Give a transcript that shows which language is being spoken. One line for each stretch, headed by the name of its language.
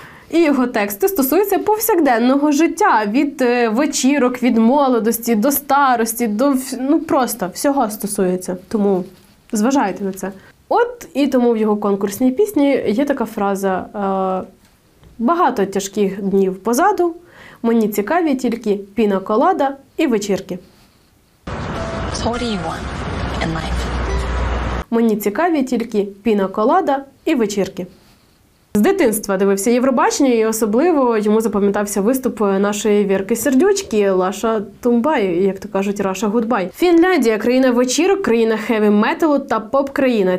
Ukrainian: І його тексти стосуються повсякденного життя. Від вечірок, від молодості, до старості, до просто всього стосується. Тому зважайте на це. От і тому в його конкурсній пісні є така фраза: «Багато тяжких днів позаду, мені цікаві тільки піна колада і вечірки».
English: So what do you want in life?
Ukrainian: Мені цікаві тільки піна колада і вечірки. З дитинства дивився Євробачення і особливо йому запам'ятався виступ нашої Вірки Сердючки «Лаша Тумбай», як то кажуть, «Раша Гудбай». Фінляндія – країна вечірок, країна хеві-металу та поп-країна.